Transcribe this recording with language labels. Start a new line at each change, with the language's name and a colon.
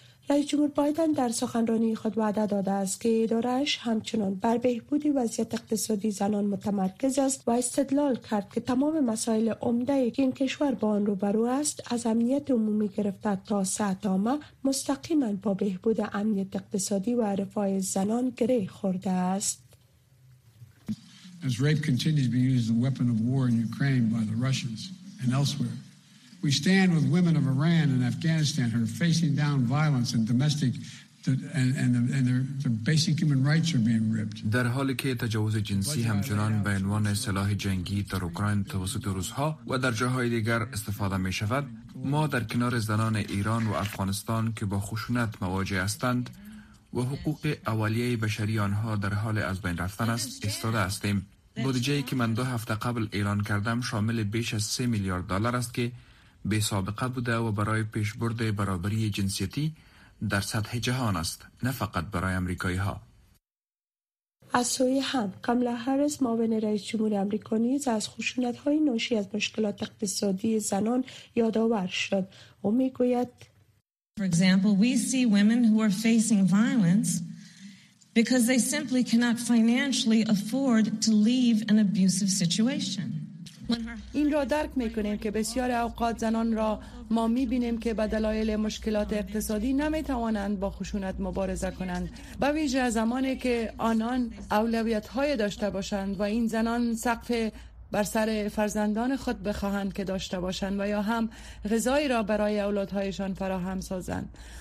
Persian: رئیس جمهور بایدن در سخنرانی خود وعده داده است که اداره‌اش همچنان بر بهبود وضعیت اقتصادی زنان متمرکز است و استدلال کرد که تمام مسائل عمده که این کشور با آن روبرو است از امنیت عمومی گرفته تا صحت عامه مستقیما با بهبود امنیت اقتصادی و رفاه زنان گره خورده است.
English: As rape continues to be used as a weapon of war in Ukraine by the Russians and elsewhere, we stand with women of Iran and Afghanistan who are facing down violence and domestic and their basic human rights are being ripped.
Persian: در حالی که تجاوز جنسی همچنان به عنوان سلاح جنگی در اوکراین توسط روس‌ها و در جاهای دیگر استفاده می‌شود، ما در کنار زنان ایران و افغانستان که با خشونت مواجه هستند و حقوق اولیه بشری آنها در حال از بین رفتن است، استاده هستیم. بودجه‌ای که من دو هفته قبل اعلان کردم شامل بیش از 3 میلیارد دلار است که بی سابقه بوده و برای پیشبرد برابری جنسیتی در سطح جهان است، نه فقط برای آمریکایی‌ها. از سوی هم کاملا هریس معاون رئیس جمهور آمریکا نیز از خشونت‌های ناشی از مشکلات اقتصادی زنان یادآور شد. او می‌گوید:
English: For example, we see women who are facing violence because they simply cannot financially afford to leave an abusive situation.
Persian: این را درک میکنیم که بسیار اوقات زنان را ما میبینیم که به دلایل مشکلات اقتصادی نمیتوانند با خشونت مبارزه کنند، به ویژه زمانی که آنان اولویت های داشته باشند و این زنان سقف بر سر فرزندان خود بخواهند که داشته باشند و یا هم غذایی را برای اولادهایشان فراهم سازند.